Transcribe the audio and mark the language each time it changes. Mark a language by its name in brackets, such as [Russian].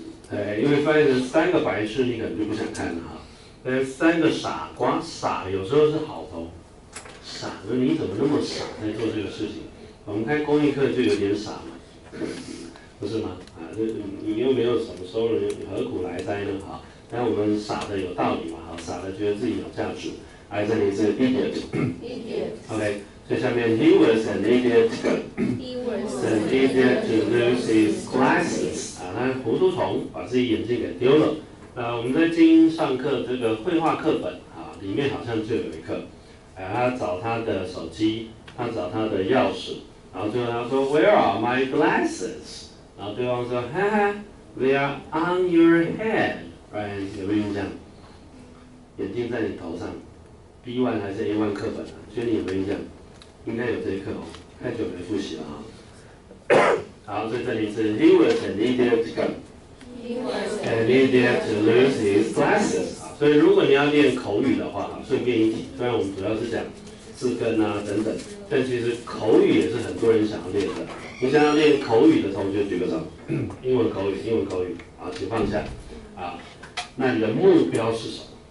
[Chinese] 对，因为翻译成三个白痴，你可能就不想看了哈。但是三个傻瓜，傻有时候是好头，傻子你怎么那么傻在做这个事情？我们开公益课就有点傻嘛，不是吗？啊，你又没有什么收入，你何苦来哉呢？哈，但我们傻的有道理嘛，哈，傻的觉得自己有价值。哎，这里是 idiot， [English] idiot。 OK， [Chinese] 所以下面 [English] he was an idiot， he was an idiot to lose his glasses。 [Chinese] 啊，他糊涂虫把自己眼镜给丢了。我们在精英上课这个绘画课本啊，里面好像就有一课，他找他的手机。他找他的钥匙，然后最后他说 [English] Where are my glasses？ [Chinese] 然后对方说哈哈 [English] ，They are on your head， right？ [Chinese] 有没有印象？眼镜在你头上 ，B 1还是 A 1课本啊？所以你有没有印象？应该有这一课哦，太久没复习了哈。好，所以这里是 [English] He was an idiot to lose his glasses。 [Chinese] 所以如果你要练口语的话，顺便一提，虽然我们主要是讲字根啊等等。但其实口语也是很多人想要练的。你想要练口语的同学举个手，英文口语，英文口语，啊，请放下，啊，那你的目标是什么？